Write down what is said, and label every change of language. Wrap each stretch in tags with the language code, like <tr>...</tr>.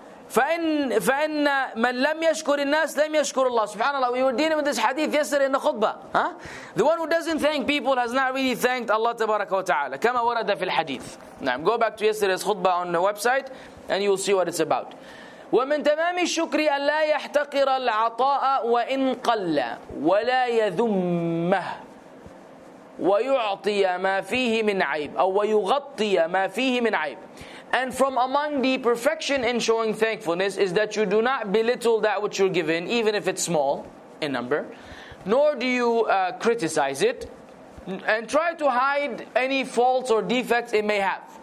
<ar>فإن من لم يشكر الناس لم يشكر الله.</ar> <en>Subhanallah, we were dealing with this hadith yesterday in the khutbah. Huh? The one who doesn't thank people has not really thanked Allah</en> <ar>tabaraka wa ta'ala. كما ورد في الحديث. نعم.</ar> <en>Go back to yesterday's khutbah on the website and you'll see what it's about.</en> <ar>ومن تمام الشكر أن لا يحتقر العطاء وإن قل ولا يذمه ويعطي ما فيه من عيب أو ويغطي ما فيه من عيب.</ar> <en>And from among the perfection in showing thankfulness is that you do not belittle that which you're given, even if it's small in number, nor do you criticize it, and try to hide any faults or defects it may have.</en>